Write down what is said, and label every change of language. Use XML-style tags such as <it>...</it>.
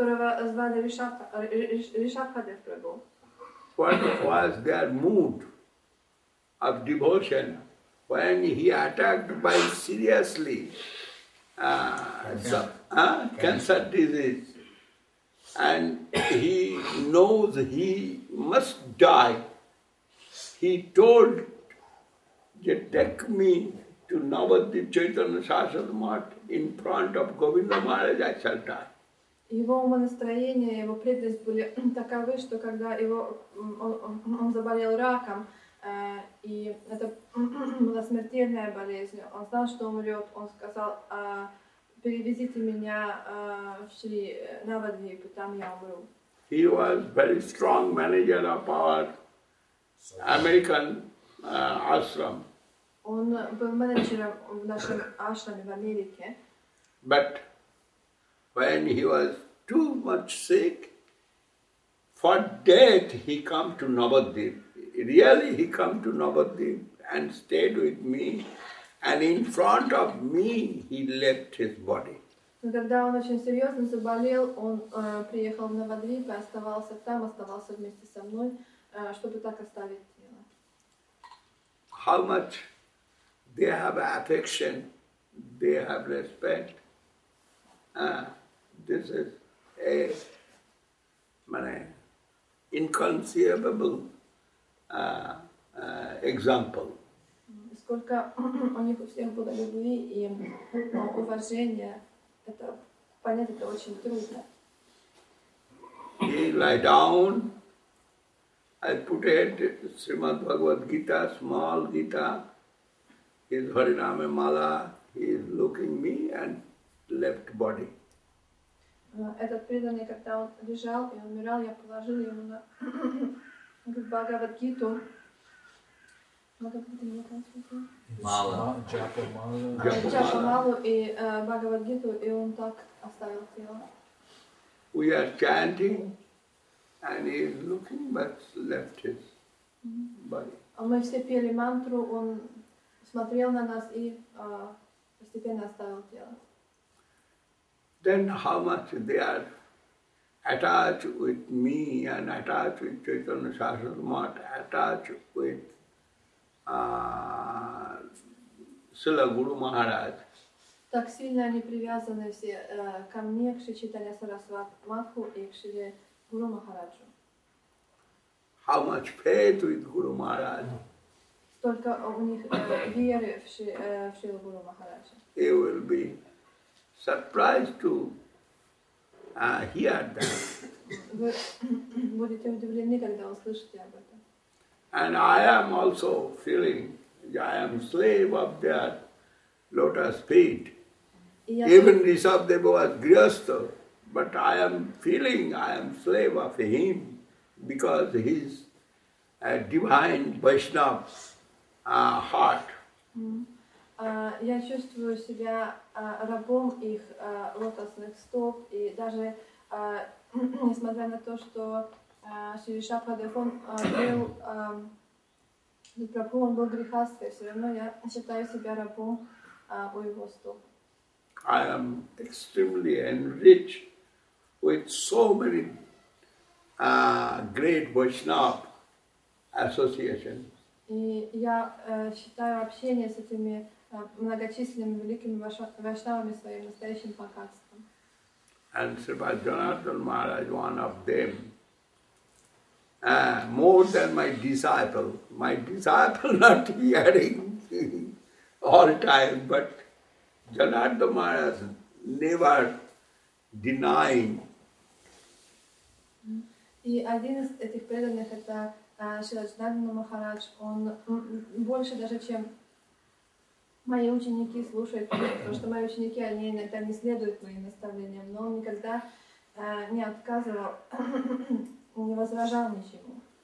<ru>Которого звали Ришабха Дев Прабху.</ru> <en>What was their mood of devotion when he attacked by seriously cancer disease, and he knows he must die. He told, take me to Navadvip Chaitanya Shashwat Math in front of Govinda Maharaj, I shall die.</en> <ru>Его умонастроение, его преданность были таковы, что когда он заболел раком, и это была смертельная болезнь. Он знал, что умрет. Он сказал, перевезите меня в Шри Навадвип, там я умру.</ru> <en>He was very strong manager of our American ashram.</en> <ru>Он был менеджером в нашем ашраме в Америке.</ru> <en>But when he was too much sick, for death he came to Navadvip. Really, he came to Navadvip and stayed with me, and in front of me, he left his body.</en> <ru>Когда он очень серьезно заболел, он приехал в Навадвип и оставался там, оставался вместе со мной, чтобы так оставить тело.</ru> <en>How much they have affection, they have respect. This is inconceivable. Example.</en> <ru>Сколько у них у всех было любви и уважения, это понять это очень трудно.</ru> <en>He lie down. I put it Srimad Bhagavad Gita, small Gita, his Hariname mala, he is looking me and left body.</en> <ru>Этот преданный, когда он лежал и умирал, я положил ему на Бхагавад-гиту. Джапа-малу и Бхагавад-гиту, и он так оставил тело.</ru> <en>We are chanting, and he is looking, but left his body.</en> <ru>Мы все пели мантру, он смотрел на нас и постепенно оставил тело.</ru> <en>Then how much they are attached with me and attached with Chaitanya Sarasvati, attached with Srila Guru Maharaj.</en> <ru>Так сильно они привязаны все ко мне, к Шри Чайтанья Сарасвати и к Шри Гуру Махараджу.</ru> <en>How much faith with Guru Maharaj?</en> <ru>Столько у них веры в Шри Гуру Махараджа.</ru> <en>He will be surprised to hear that.</en> <ru>Вы будете удивлены, когда услышите об этом.</ru> <en>And I am also feeling I am slave of their lotus feet. Even Rishabdeva was grihastha, but I am feeling I am slave of him because he is a divine Vaishnava's heart.</en> <ru>Я чувствую себя рабом их лотосных стоп, и даже несмотря на то, что Шри Ришабхадев он был грехастый, все равно я считаю себя рабом у его стоп.</ru> <en>I am extremely enriched with so many great Vaishnava associations.</en> <ru>И я считаю общение с этими многочисленными великими вайшнавами своим настоящим богатством.</ru> <en>And Sri Vaishnava Maharaj, one of them, more than my disciple not hearing all time, but Janardhan Maharaj never denying.</en> <ru>И один из этих преданных это Шри Джанардан Махарадж. Он больше даже чем мои ученики слушают, потому что мои ученики они иногда не следуют моим наставлениям, но он никогда не отказывал, не возражал ничему.</ru>